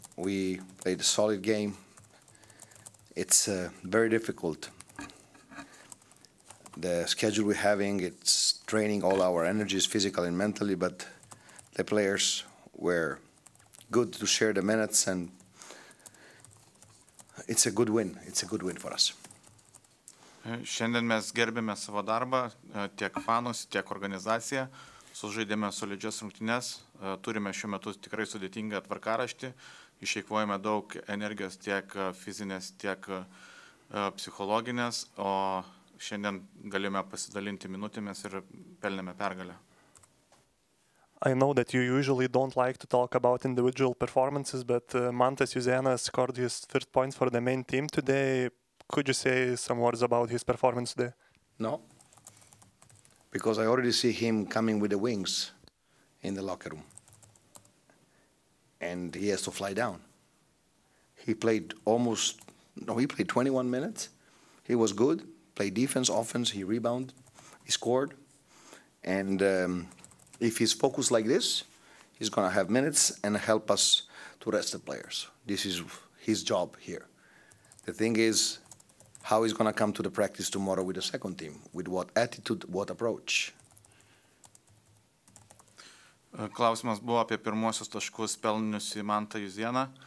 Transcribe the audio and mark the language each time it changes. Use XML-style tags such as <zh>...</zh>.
<en>We played a solid game. It's very difficult. The schedule we're having, it's draining all our energies, physically and mentally, but the players were good to share the minutes, and it's a good win. It's a good win for us.</en> <lt>Šiandien mes gerbėme savo darbą, tiek fanus, tiek organizaciją. Sužaidėme solidžias rungtynes, turime šiuo metu tikrai sudėtingą tvarkaraštį, išeikvojame daug energijos tiek fizinės, tiek psichologinės, o šiandien galime pasidalinti minutėmis ir pelnėme pergalę.</lt> <en>I know that you usually don't like to talk about individual performances, but Mantas Juzėnas scored his first point for the main team today. Could you say some words about his performance today? No. Because I already see him coming with the wings in the locker room. And he has to fly down. He played almost, no, he played 21 minutes. He was good, played defense, offense, he rebounded, he scored. And if he's focused like this, he's going to have minutes and help us to rest the players. This is his job here. The thing is, how he's going to come to the practice tomorrow with the second team, with what attitude, what approach.</en> <lt>Klausimas buvo apie pirmuosius taškus pelniusį Mantą Juzėną.</lt>